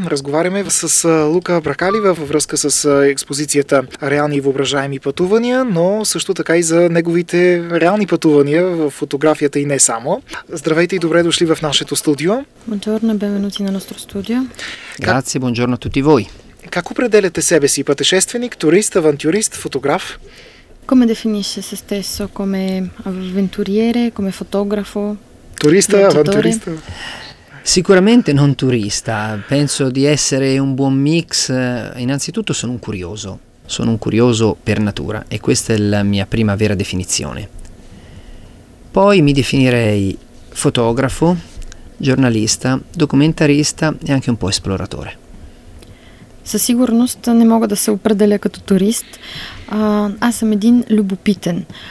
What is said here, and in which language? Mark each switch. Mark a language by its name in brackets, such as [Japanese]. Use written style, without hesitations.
[Bulgarian] Разговаряме с Лука Бракалива във връзка с експозицията «Реални и въображаеми пътувания», но също така и за неговите реални пътувания в фотографията и не само. Здравейте и добре дошли в нашето студио. [Italian] Buongiorno, benvenuti nel nostro studio. Grazie, buongiorno a tutti voi. [Bulgarian] Как определяте себе си? Пътешественик, турист, авантюрист, фотограф? [Italian] Come definisce se stesso? Come avventuriere, come fotografo? Turista, avventurista? Sicuramente non turista. Penso di essere un buon mix. Innanzitutto sono un curioso. Sono un curioso per natura e questa è la mia prima vera definizione. Poi mi definirei fotografo, giornalista, documentarista e anche un po' esploratore. [Bulgarian] Със сигурност не мога да се определя като турист. Аз съм един любопитен.